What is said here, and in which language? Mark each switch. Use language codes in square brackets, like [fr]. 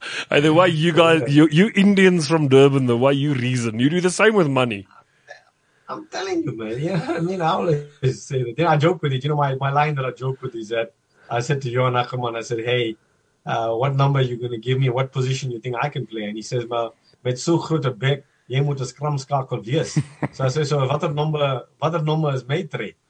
[en] And the way you guys, you Indians from Durban, the way you reason, you do the same with money. I'm telling you, man. You know, I mean, I always say that. Then I joke with it. You know, my line that I joke with is that I said to Johan Ackerman, I said, hey, what number are you going to give me? What position you think I can play? And he says, well, [af] met so groot a bek, jy moet 'n scrum skakel wees. [en] So I say, so what number is my trade?